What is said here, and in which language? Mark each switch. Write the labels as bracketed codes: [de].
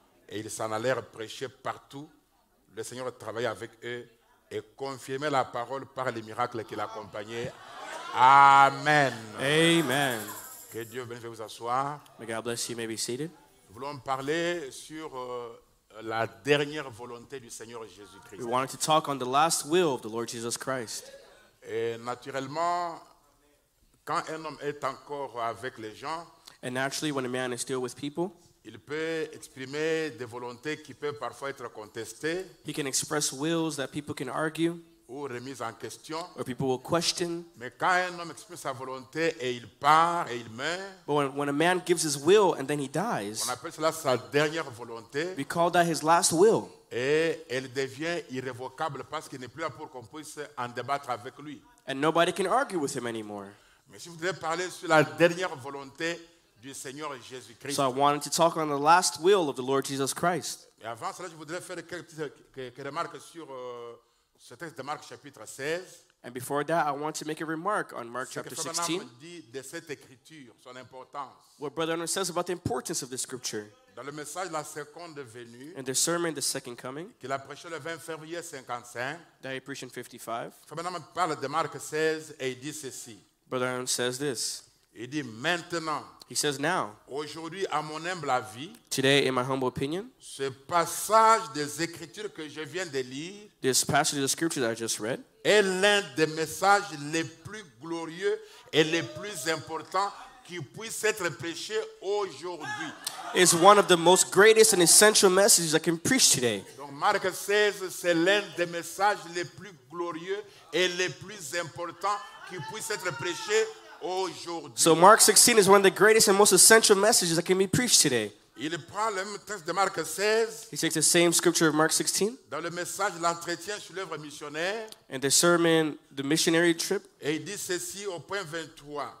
[fr] Et ils s'en allèrent prêcher partout. Le Seigneur travaillait avec eux et confirmait la parole par les miracles qui l'accompagnaient. Amen. Amen. Que Dieu bénisse vous asseoir. [en] May God bless you. May be seated. [fr] Nous voulons parler sur la dernière volonté du Seigneur Jésus-Christ. [en] We wanted to talk on the last will of the Lord Jesus Christ. [fr] Et naturellement, quand un homme est encore avec les gens, [en] and naturally, when a man is still with people, [fr] il peut exprimer des volontés qui peuvent parfois être contestées. [en] He can express wills that people can argue. [fr] Ou remises en question. [en] Or people will question. [fr] Mais quand un homme exprime sa volonté et il part et il meurt. [en] But when a man gives his will and then he dies. [fr] On appelle cela sa dernière volonté. [en] We call that his last will. [fr] Et elle devient irrévocable parce qu'il n'est plus là pour qu'on puisse en débattre avec lui. [en] And nobody can argue with him anymore. [fr] Mais si vous voulez parler sur la dernière volonté du Seigneur Jésus Christ. [en] So I wanted to talk on the last will of the Lord Jesus Christ. [fr] Et avant cela, je voudrais faire quelques remarques sur ce texte de Marc chapitre 16. [en] And before that, I want to make a remark on Mark chapter 16. [fr] Ce que Brother Nam dit de cette écriture, son importance. [en] What Brother Nam says about the importance of this scripture. [fr] Dans le message la seconde venue. [en] In the sermon the second coming. [fr] Qu'il a prêché le 20 février 55. [en] That he preached in 55. [fr] Brother Nam parle de Marc 16 et il dit ceci. [en] Brother Nam says this. [fr] Il dit maintenant. [en] He says now. [fr] Aujourd'hui, à mon humble avis. [en] Today, in my humble opinion. [fr] Ce passage des Écritures que je viens de lire. [en] This passage of the Scripture that I just read. [fr] Est l'un des messages les plus glorieux et les plus importants qui puisse être prêché aujourd'hui. [en] It's one of the most greatest and essential messages I can preach today. [fr] Donc, Marc 16, c'est l'un des messages les plus glorieux et les plus importants qui puisse être prêché. [en] So Mark 16 is one of the greatest and most essential messages that can be preached today. [fr] Il prend le même texte de Marc 16. [en] He takes the same scripture of Mark 16. [fr] Dans le message l'entretien sur l'œuvre missionnaire. [en] In the sermon, the missionary trip. [fr] Et il dit ceci au point 23.